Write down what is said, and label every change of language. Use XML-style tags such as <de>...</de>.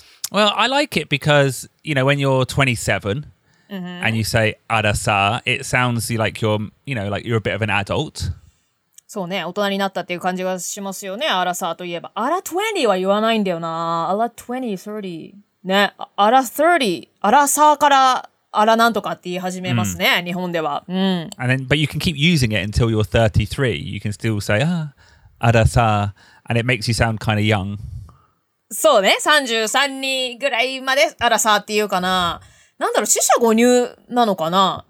<en>Well, I like it because, you know, when you're 27 and you say arasa, it sounds like you're, you know, like you're a bit of an adult.</en> <ja>そうね、大人になったっていう感じがしますよね、arasa といえば。 ara 20は言わないんだよな。ara 20, 30. ね、ara 30. arasa から ara なんとかって言い始めますね、日本では。</ja> <en>And then, but you can keep using it until you're 33. You can still say, arasa, and it makes you sound kind of young.</en> <ja>そうね、33にぐらいまでアラサーっていうかな。なんだろう、四捨五入なのかな。</ja>